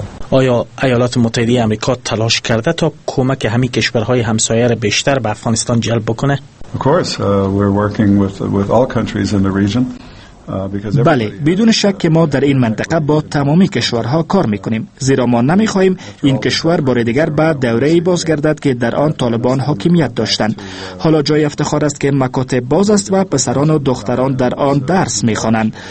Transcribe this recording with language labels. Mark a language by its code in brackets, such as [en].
[fa] آیا ایالات متحده آمریکا تلاش کرده تا کمک همین کشورهای همسایه را بیشتر به افغانستان جلب بکنه؟ [en] Of course, we're working with all countries in the region. [fa] بله، بدون شک که ما در این منطقه با تمامی کشورها کار میکنیم، زیرا ما نمیخواهیم این کشور بار دیگر به دوره ای بازگردد که در آن طالبان حاکمیت داشتند. حالا جای افتخار است که مکاتب باز است و پسران و دختران در آن درس میخوانند.